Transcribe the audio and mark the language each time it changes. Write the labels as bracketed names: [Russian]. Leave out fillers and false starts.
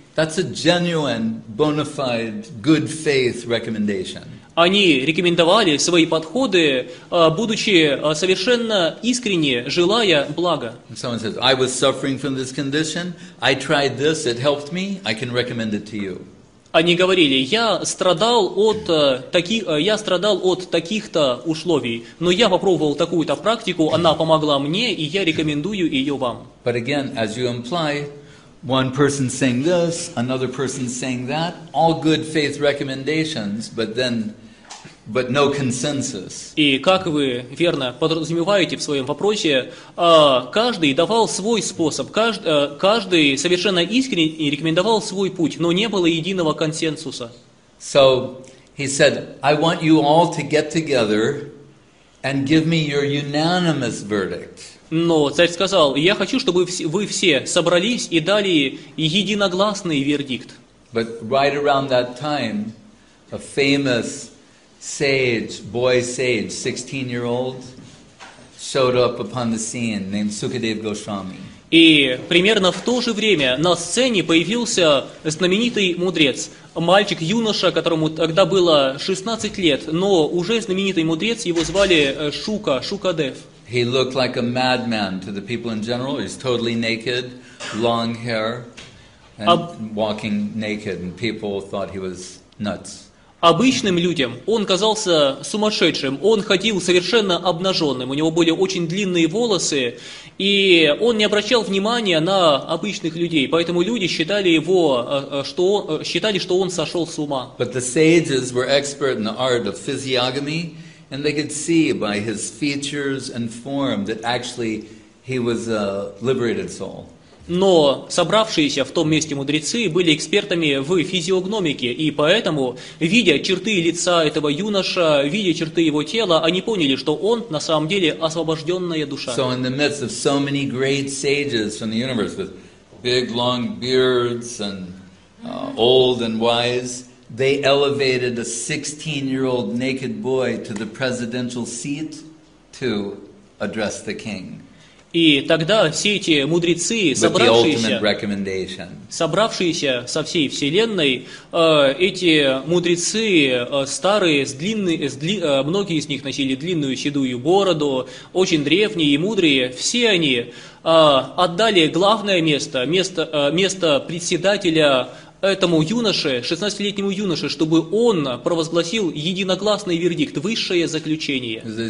[English] That's a genuine, bona fide, good faith recommendation. [Russian] Они рекомендовали свои подходы, будучи совершенно искренне, желая блага. [English] Someone says, I was suffering from this condition, I tried this, it helped me, I can recommend it to you. [Russian] Они говорили, я страдал от таких-то условий, но я попробовал такую-то практику, она помогла мне, и я рекомендую ее вам. [English] But again, as you imply, one person saying this, another person saying that, all good faith recommendations, but no consensus. [Russian] И как вы верно подразумеваете в своем вопросе, каждый давал свой способ, каждый совершенно искренне рекомендовал свой путь, но не было единого консенсуса. [English] So he said, I want you all to get together and give me your unanimous verdict. [Russian] Но царь сказал, я хочу, чтобы вы все собрались и дали единогласный вердикт. [English] But right around that time, a famous sage, boy sage, 16-year-old, showed up upon the scene named Sukadev Goswami. [Russian] И примерно в то же время на сцене появился знаменитый мудрец, мальчик-юноша, которому тогда было 16 лет, но уже знаменитый мудрец, его звали Шукадев. [English] He looked like a madman to the people in general. He's totally naked, long hair, and walking naked, and people thought he was nuts. [Russian] обычным людям он казался сумасшедшим. Он ходил совершенно обнаженным. У него были очень длинные волосы, и он не обращал внимания на обычных людей. Поэтому люди считали его, что считали, что он сошел с ума. [English] But the sages were expert in the art of physiognomy, and they could see by his features and form that actually he was a liberated soul. [Russian] Но собравшиеся в том месте мудрецы были экспертами в физиогномике, и поэтому, видя черты лица этого юноша, видя черты его тела, они поняли, что он на самом деле освобожденная душа. [English] So in the midst of so many great sages from the universe with big long beards and old and wise, they elevated a 16-year-old naked boy to the presidential seat to address the king. [Russian] И тогда все эти мудрецы, собравшиеся со всей вселенной, эти мудрецы старые, многие из них носили длинную седую бороду, очень древние и мудрые, все они отдали главное место, место председателя этому юноше, 16-летнему юноше, чтобы он провозгласил единогласный вердикт, высшее заключение.